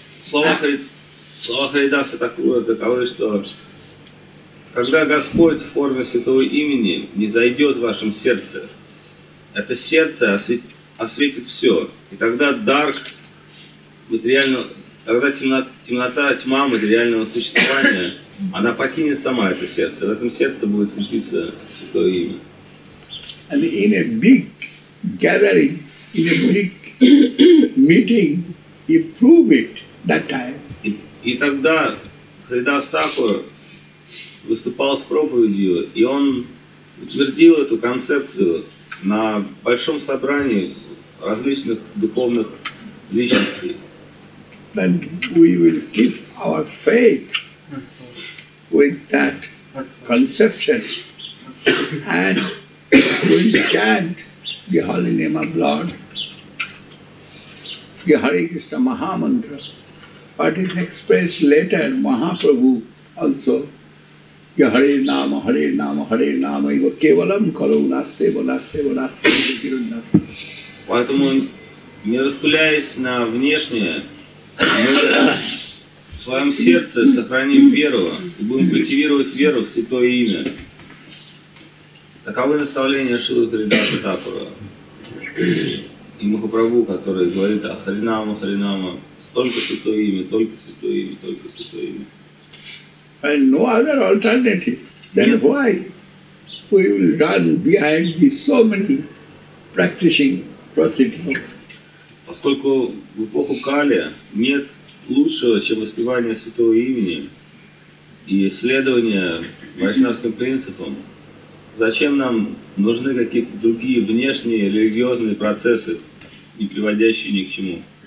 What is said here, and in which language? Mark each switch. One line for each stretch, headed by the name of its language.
Russian: Слова Харидаса Такура таковы, что когда Господь в форме Святого Имени не зайдет в вашем сердце, это сердце осветит все. И тогда дар материального, тогда темнота, тьма материального существования, она покинет сама это сердце. В этом сердце будет светиться Святое Имя.
English: And in a big gathering, in a big meeting, he proved it that time.
Russian: И тогда Харидас Тхакур выступал с проповедью, и он утвердил эту концепцию на большом собрании различных духовных личностей.
English: Then we will keep our faith with that conception and we'll chant the holy name of Lord, the Hare Krishna Maha Mantra, but it's expressed later, Mahaprabhu also, the Hare Nama, Hare Nama, Hare Nama, Iva Kevalam Karuna Sevala Sevala Sevala Sevala.
Russian: Поэтому, не распыляясь на внешнее, мы в своем сердце сохраним веру и будем культивировать веру в Святое Имя. Таковы наставления Шилы Харидаса Тхакура и Махапрабху, который говорит о Харинама, Харинама, только Святое Имя, только Святое Имя, только Святое Имя.
English: And no other alternative. Then why we will run behind these so many practicing procedures?
Russian: Поскольку в эпоху Кали нет лучшего, чем воспевание Святого Имени и следование вайшнавским принципам, зачем нам нужны какие-то другие внешние религиозные процессы, не приводящие ни к чему?